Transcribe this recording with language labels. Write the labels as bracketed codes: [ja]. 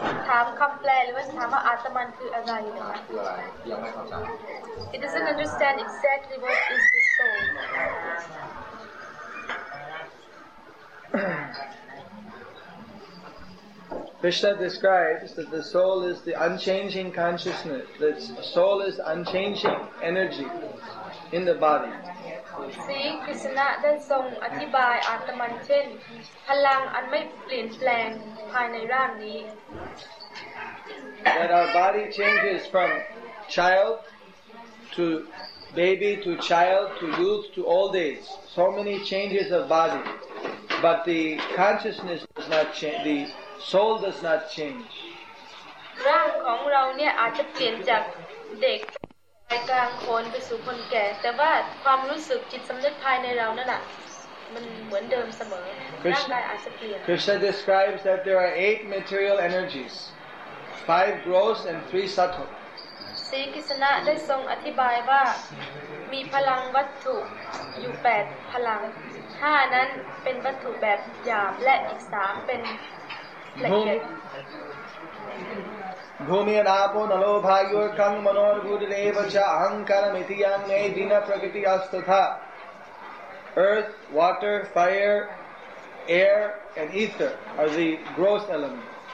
[th] ถามคำแปลหรือว่าถามว่าอัตมันคืออะไรนะ คืออะไรยัง ไม่เข้าใจ [en] It doesn't understand exactly what is the soul Krishna describes that the soul is the unchanging consciousness. The soul is unchanging energy in the body. See, Krishna then [th] ทรงอธิบายอาตมันเช่นพลังอันไม่เปลี่ยนแปลงภายในร่างนี้ [en] That our body changes from child to baby to child to youth to old age. So many changes of body, but the consciousness does not change. The Soul does not change. [th] ร่างของเราเนี่ยอาจจะเปลี่ยนจากเด็กไปกลางคนไปสู่คนแก่แต่ว่าความรู้สึกจิตสำนึกภายในเรานั่นแหละมันเหมือนเดิมเสมอร่างกายอาจจะเปลี่ยน [en] Krishna describes that there are 8 material energies, 5 gross and 3 subtle. [th] ศรีกิสนะได้ทรงอธิบายว่ามีพลังวัตถุอยู่8พลัง5นั้นเป็นวัตถุแบบหยาบและอีก3เป็น [sa] Bhumirapo nalo bhayur kang manor gudreva cha ahankaram iti yamne dina prakriti astatha [en] Earth, water, fire, air and ether are the gross elements